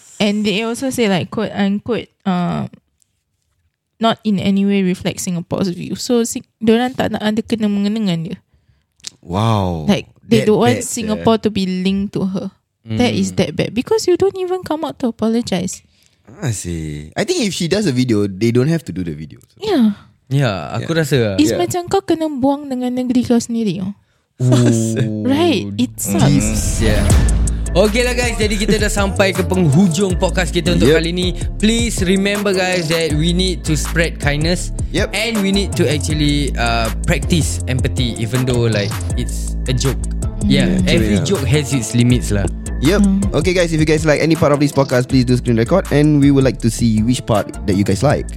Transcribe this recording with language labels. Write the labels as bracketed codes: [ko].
[en] And they also say like, quote unquote, not in any way reflect Singapore's view. [ms] So, diorang tak nak ada kena mengenangan dia. [en] Wow. Like, they don't want Singapore to be linked to her. Mm. That is that bad. Because you don't even come out to apologize. I see. I think if she does a video, they don't have to do the video. So. Yeah. Yeah, [ms] aku rasa. [en] It's [ms] macam kau kena buang dengan negeri kau sendiri. [en] Oh. Right? It sucks. Yeah. Okay [ms] lah guys, jadi kita dah sampai ke penghujung podcast kita untuk kali ni. [en] Please remember guys that we need to spread kindness. Yep. And we need to actually practice empathy even though like it's a joke. Yeah, every joke has its limits lah. Yep. Okay guys, if you guys like any part of this podcast, please do screen record and we would like to see which part that you guys like.